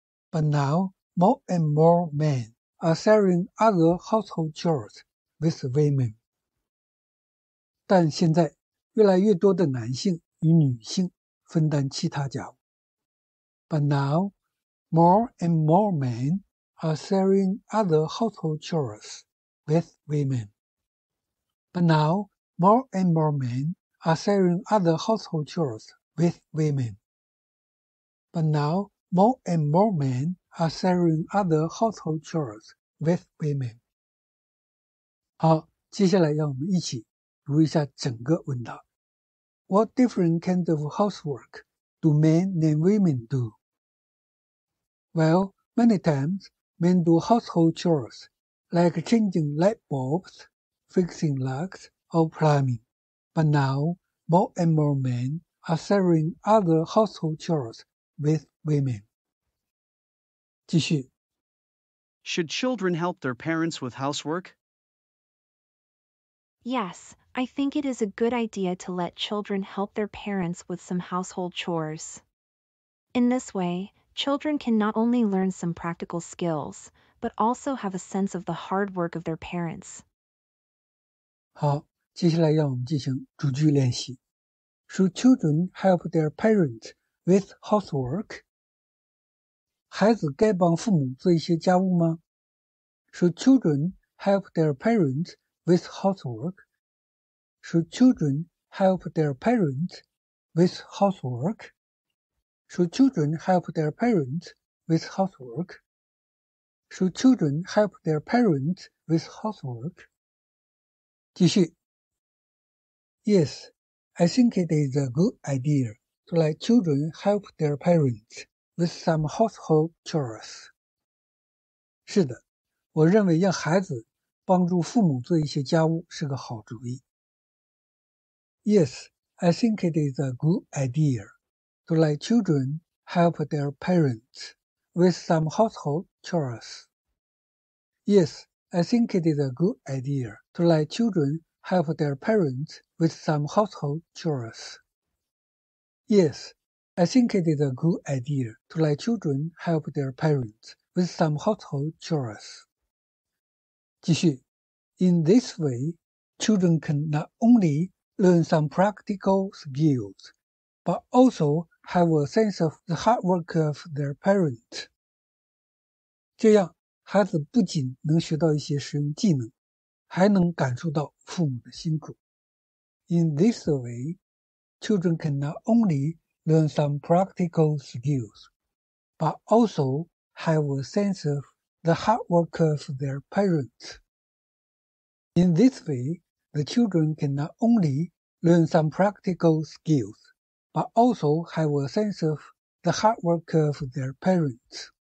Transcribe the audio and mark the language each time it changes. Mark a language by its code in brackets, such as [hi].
[en] But now, more and more men are sharing other household chores with women. [zh] 但现在越来越多的男性与女性分担其他家务。 [en] But now, more and more men are sharing other household chores with women. But now, more and more men are sharing other household chores with women. But now, more and more men are sharing other household chores with women. 好，接下来让我们一起读一下整个问答。 What different kinds of housework do men and women do? Well, many times, men do household chores, like changing light bulbs, fixing locks, or plumbing. But now, more and more men are sharing other household chores with women. [zh] 继续。 [en] Should children help their parents with housework? Yes. I think it is a good idea to let children help their parents with some household chores. In this way, children can not only learn some practical skills, but also have a sense of the hard work of their parents. [zh] 好，接下来让我们进行逐句练习。 [en] Should children help their parents with housework? [zh] 孩子该帮父母做一些家务吗？ [en] Should children help their parents with housework? Should children help their parents with housework? Should children help their parents with housework? Should children help their parents with housework? [zh] 继续。 [en] Yes, I think it is a good idea to let children help their parents with some household chores. [zh] 是的，我认为让孩子帮助父母做一些家务是个好主意。 [en] Yes, I think it is a good idea to let children help their parents with some household chores. Yes, I think it is a good idea to let children help their parents with some household chores. Yes, I think it is a good idea to let children help their parents with some household chores. [zh] 继续。 [en] In this way, children can not only learn some practical skills, but also have a sense of the hard work of their parents. [zh] 这样，孩子不仅能学到一些实用技能，还能感受到父母的辛苦。 [en] In this way, children can not only learn some practical skills, but also have a sense of the hard work of their parents. In this way, the children can not only learn some practical skills, but also have a sense of the hard work of their parents.